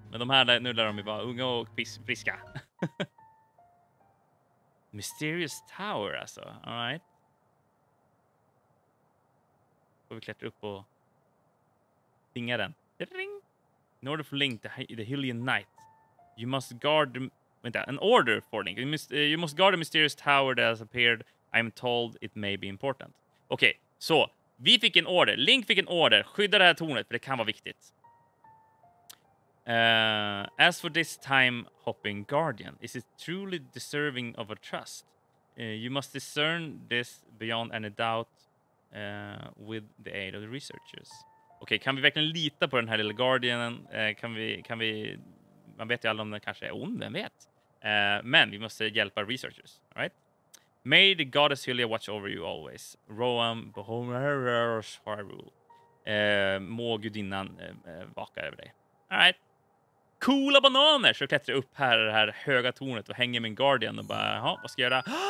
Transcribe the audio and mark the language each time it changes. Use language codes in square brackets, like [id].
[sv] Men de här, nu lär de ju vara unga och friska. [en] Mysterious Tower alltså, all right. [sv] Får vi klättra upp och stinga den. [en] Ring. In order for Link, the Hylian Knight, you must guard... Vänta, an order for Link. You must guard the mysterious tower that has appeared. I am told it may be important. [sv] Okej, okay, så. Vi fick en order. Link fick en order. Skydda det här tornet, för det kan vara viktigt. [en] As for this time hopping guardian, is it truly deserving of a trust? You must discern this beyond any doubt. With the aid of the researchers. [sv] Okej, kan vi verkligen lita på den här lilla guardianen? Kan vi man vet ju aldrig om den kanske är ond, vem vet. Men vi måste hjälpa researchers, right? [en] May the goddess Hylia watch over you always. Rohan Bohomerus Hyrule. [sv] Må gudinnan vaka över dig. All right. Coola bananer, så klättrar upp här i det här höga tornet och hänger min guardian och bara, ja, vad ska jag göra?